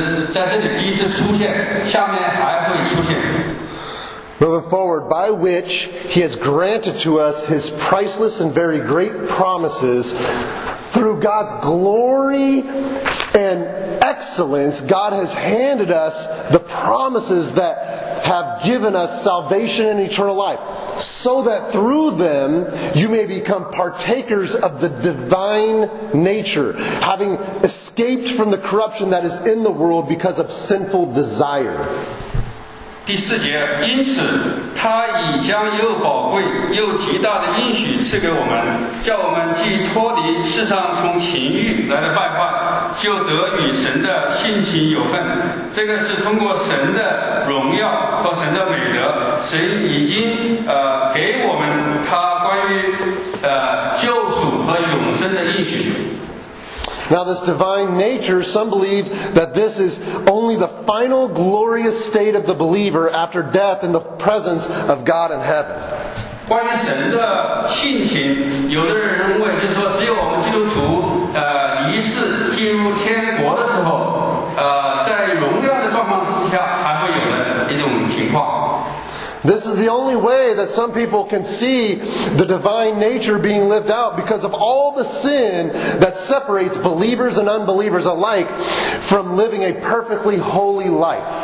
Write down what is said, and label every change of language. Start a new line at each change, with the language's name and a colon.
Chinese: 这里第一次出现，下面还会出现。
English: Moving forward, by which he has granted to us his priceless and very great promises through God's glory and excellence, God has handed us the promises that have given us salvation and eternal life, so that through them you may become partakers of the divine nature, having escaped from the corruption that is in the world because of sinful desire.
Chinese: 第四节，因此他已将又宝贵又极大的应许赐给我们，叫我们既脱离世上从情欲来的败坏，就得与神的性情有份。这个是通过神的荣耀和神的美德，神已经给我们他关于救赎和永生的应许。
English: Now this divine nature, some believe that this is only the final glorious state of the believer after death in the presence of God in heaven.
Chinese: 关于神的性情，有的人认为就是说，只有我们基督徒离世进入天国的时候，在荣耀的状况之下才会有的一种情况。
English: This is the only way that some people can see the divine nature being lived out because of all the sin that separates believers and unbelievers alike from living a perfectly holy life.